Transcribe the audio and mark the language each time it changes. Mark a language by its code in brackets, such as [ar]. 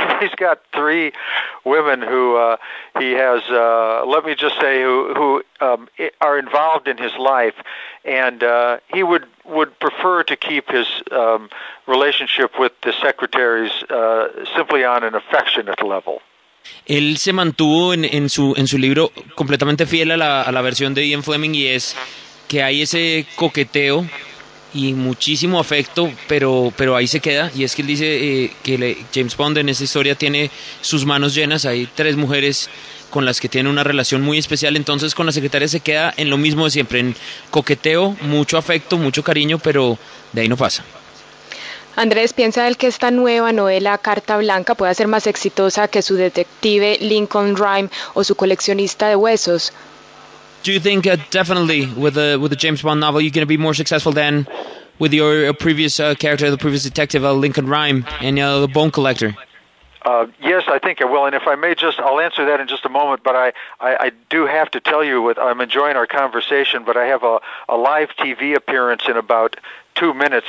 [en] He's got three women who he has, let me just say, who are involved in his life, and he would prefer to keep his relationship with the secretaries simply on an affectionate level. [es] Él se mantuvo en su libro completamente fiel a la versión de Ian Fleming, y es que hay ese coqueteo y muchísimo afecto, pero ahí se queda. Y es que él dice que James Bond en esa historia tiene sus manos llenas, hay tres mujeres con las que tiene una relación muy especial, entonces con la secretaria se queda en lo mismo de siempre, en coqueteo, mucho afecto, mucho cariño, pero de ahí no pasa. Andrés, ¿piensa él que esta nueva novela Carta Blanca pueda ser más exitosa que su detective Lincoln Rhyme o su coleccionista de huesos? [en] Do you think definitely with the James Bond novel you're going to be more successful than with your previous character, the previous detective, Lincoln Rhyme, and the bone collector? Yes, I think I will. And if I may just, I'll answer that in just a moment. But I do have to tell you, I'm enjoying our conversation, but I have a live TV appearance in about 2 minutes.